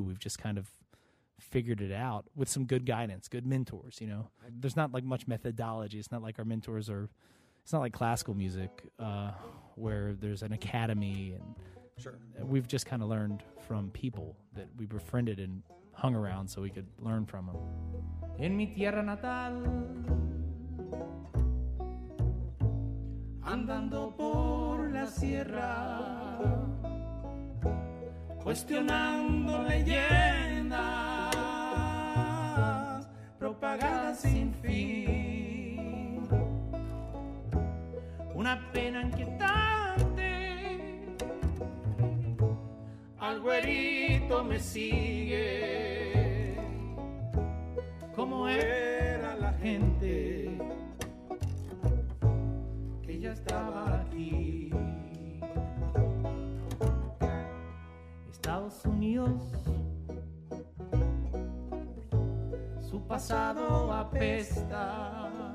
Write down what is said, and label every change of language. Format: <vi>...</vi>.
<en>We've just kind of figured it out with some good guidance, good mentors, you know. There's not like much methodology. It's not like our mentors are, it's not like classical music where there's an academy, and we've just kind of learned from people that we befriended and hung around so we could learn from them.</en> <es>En mi tierra natal, andando por la sierra, cuestionando leyendas propagadas sin fin. Una pena inquietante, al güerito me sigue, como era la gente que ya estaba aquí. Estados Unidos, su pasado apesta.</es>